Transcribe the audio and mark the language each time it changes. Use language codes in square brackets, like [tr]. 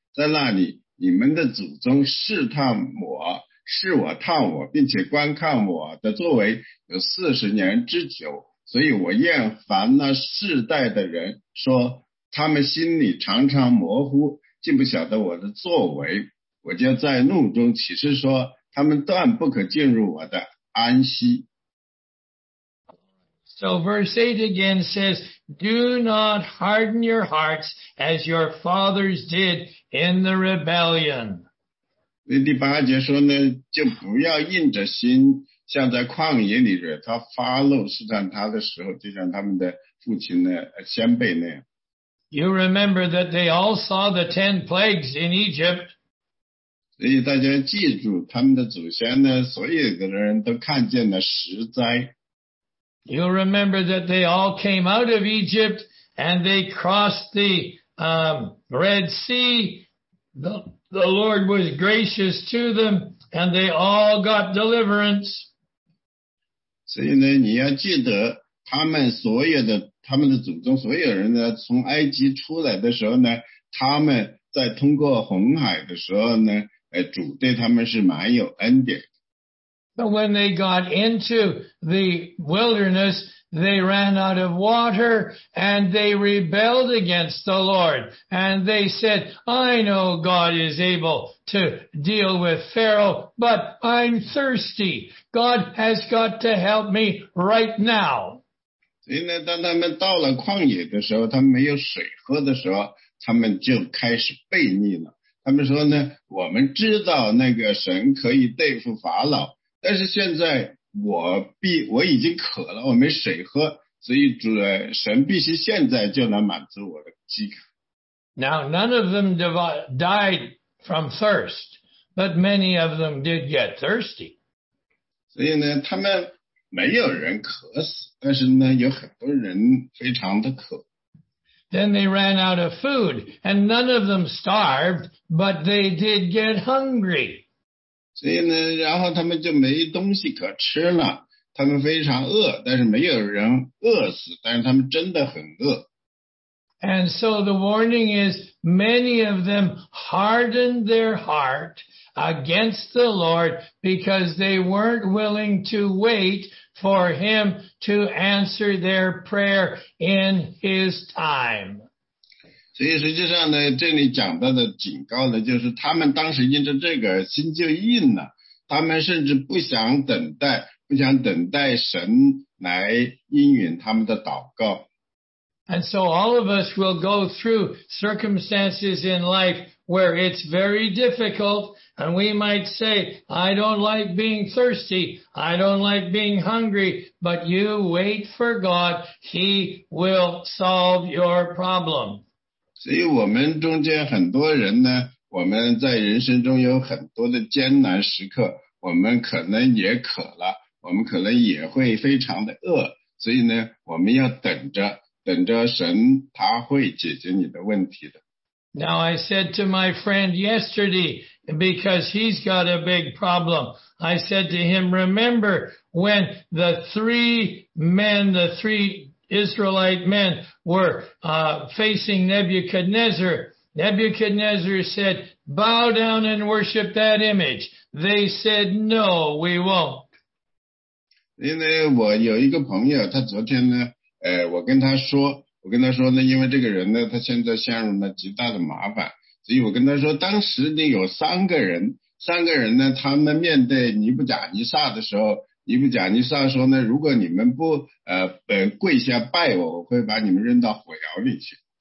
[zh] 在那里，你们的祖宗试探我，试我探我，并且观看我的作为有四十年之久，所以我厌烦那世代的人说。他们心里常常模糊，竟不晓得我的作为，我就在怒中起誓说，他们断不可进入我的安息。 [en] So verse 8 again says, Do not harden your hearts as your fathers did in the rebellion. [zh] 那第八节说呢，就不要硬着心，像在旷野里惹他发怒，试探他的时候，就像他们的父亲呢，先辈那样。 [en] You remember that they all saw the 10 plagues in Egypt. [zh] 所以大家记住他们的祖先呢所有的人都看见了十灾。 [en] You remember that they all came out of Egypt and they crossed the Red Sea. The Lord was gracious to them and they all got deliverance. [zh] 所以呢你要记得他们所有的他们的祖宗所有人呢从埃及出来的时候呢他们在通过红海的时候呢主对他们是蛮有恩典的。 [en] So when they got into the wilderness, they ran out of water and they rebelled against the Lord. And they said, I know God is able to deal with Pharaoh, but I'm thirsty. God has got to help me right now. [zh] 所以呢，当他们到了旷野的时候，他们没有水喝的时候，他们就开始悖逆了。他们说呢，我们知道那个神可以对付法老，但是现在我已经渴了，我没水喝，所以主神必须现在就能满足我的饥渴。 [en] Now none of them died from thirst, but many of them did get thirsty. [zh] 所以呢，他们。没有人渴死，但是呢，有很多人非常的渴。 [en] Then they ran out of food, and none of them starved, but they did get hungry. [zh] 所以呢，然后他们就没东西可吃了，他们非常饿，但是没有人饿死，但是他们真的很饿。 [en] And so the warning is, many of them hardened their heart against the Lord because they weren't willing to wait for him to answer their prayer in his time. [zh] 所以实际上呢，这里讲到的警告呢，就是他们当时因着这个心就硬了，他们甚至不想等待，不想等待神来应允他们的祷告。 [en] And so all of us will go through circumstances in life where it's very difficult, and we might say, I don't like being thirsty, I don't like being hungry, but you wait for God, He will solve your problem. [zh] 所以我们中间很多人呢，我们在人生中有很多的艰难时刻，我们可能也渴了，我们可能也会非常的饿，所以呢，我们要等着。等着神，他会解决你的问题的。 [en] Now I said to my friend yesterday, because he's got a big problem, I said to him, remember when the three men, the three Israelite men were facing Nebuchadnezzar. Nebuchadnezzar said, bow down and worship that image. They said, no, we won't. [zh] 因为我有一个朋友，他昨天呢我跟他说呢，因为这个人呢，他现在陷入了极大的麻烦，所以我跟他说，当时你有三个人呢，他们面对尼布甲尼撒的时候，尼布甲尼撒说呢，如果你们不跪下拜我，我会把你们扔到火窑里去。